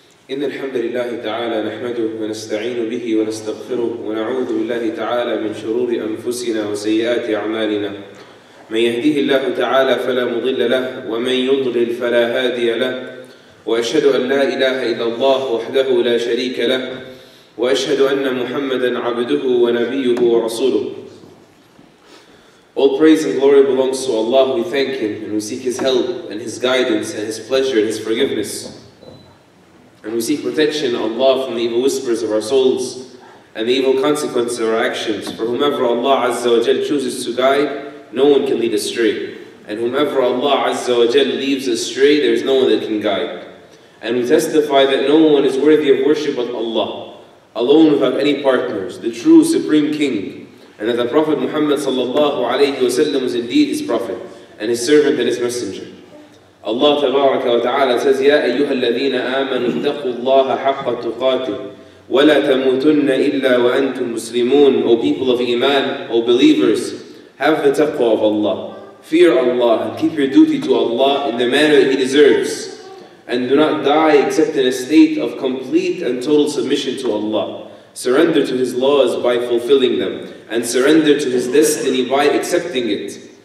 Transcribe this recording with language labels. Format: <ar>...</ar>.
<ar>إن الحمد لله تعالى نحمده ونستعين به ونستغفره ونعوذ بالله تعالى من شرور أنفسنا وسيئات أعمالنا. من يهديه الله تعالى فلا مضل له، ومن يضلل فلا هادي له. وأشهد أن لا إله إلا الله وحده لا شريك له، وأشهد أن محمدا عبده ونبيه ورسوله.</ar> <en>All praise and glory belongs to Allah. We thank Him and we seek His help and His guidance and His pleasure and His forgiveness. And we seek protection, Allah, from the evil whispers of our souls and the evil consequences of our actions. For whomever Allah Azza wa Jal chooses to guide, no one can lead astray. And whomever Allah Azza wa Jal leaves astray, there is no one that can guide. And we testify that no one is worthy of worship but Allah, alone without any partners, the true supreme king. And that the Prophet Muhammad sallallahu alayhi wa sallam was indeed his prophet and his servant and his messenger. Allah tabaraka wa ta'ala says,</en> <ar>يَا أَيُّهَا الَّذِينَ آمَنُوا اتَّقُوا اللَّهَ حَقَّ تُقَاتِهِ وَلَا تَمُوتُنَّ إِلَّا وَأَنْتُمْ مُسْلِمُونَ.</ar> <en>O people of Iman, O believers, have the taqwa of Allah. Fear Allah and keep your duty to Allah in the manner that He deserves. And do not die except in a state of complete and total submission to Allah. Surrender to His laws by fulfilling them. And surrender to His destiny by accepting it.</en>